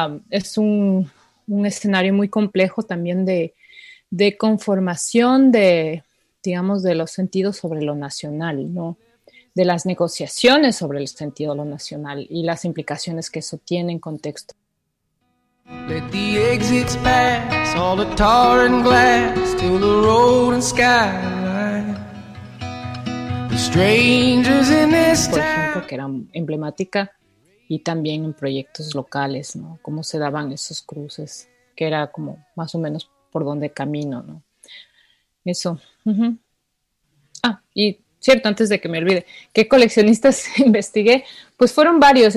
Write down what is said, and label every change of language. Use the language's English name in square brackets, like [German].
[Spanish] Es un escenario muy complejo también de conformación de, digamos, de los sentidos sobre lo nacional, ¿no? De las negociaciones sobre el sentido de lo nacional y las implicaciones que eso tiene en contexto. [English] Let the exits pass, all the tar and glass, to the road and skyline. The strangers in this town. [Spanish] Por ejemplo, que era emblemática, y también en proyectos locales, ¿no? Cómo se daban esos cruces, que era como más o menos por donde camino, ¿no? Eso. Uh-huh. Ah, y cierto, antes de que me olvide, ¿qué coleccionistas investigué? Pues fueron varios.